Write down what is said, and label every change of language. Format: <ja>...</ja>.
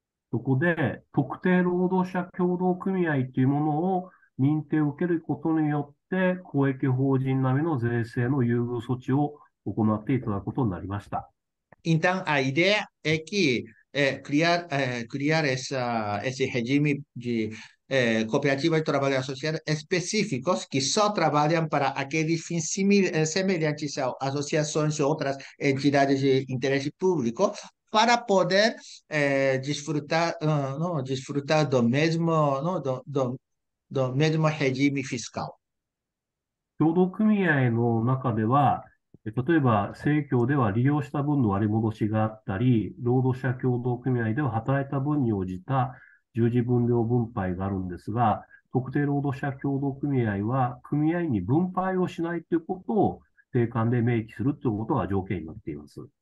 <ja>そこで、特定労働者協同組合というものを認定を受けることによって、公益法人並みの税制の優遇措置を行っていただくことになりました。</ja> <pt>Então, a ideia é que criar esse regime de cooperativas de trabalho associado específicos que só trabalham para aqueles fins semelhantes a associações e outras entidades de interesse público, para poder desfrutar, não, desfrutar do mesmo, não, do mesmo regime fiscal.</pt> <ja>労働組合の中では、例えば、生協では利用した分の割り戻しがあったり、労働者協同組合では働いた分に応じた従事分量分配があるんですが、特定労働者協同組合は、組合に分配をしないということを、定款で明記するということが条件になっています。</ja>